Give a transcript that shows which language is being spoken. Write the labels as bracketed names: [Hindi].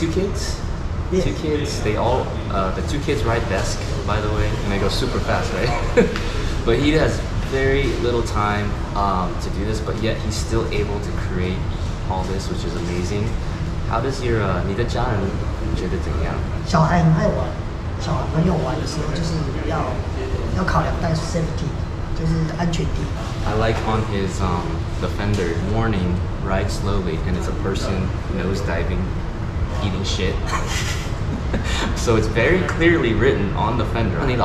[English] Two kids? Yes. Two kids, they all, the two kids ride Vesc, by the way, and they go super fast, right? But he has very little time to do this, but yet he's still able to create all this, which is amazing. How does your, [Chinese] 你的家人觉得怎样? 小孩很爱玩，小朋友玩的时候就是要考量带safety，就是安全第一。 [English] I like on his, the fender, warning, ride slowly, and it's a person nose diving, eating shit. So it's very clearly written on the fender.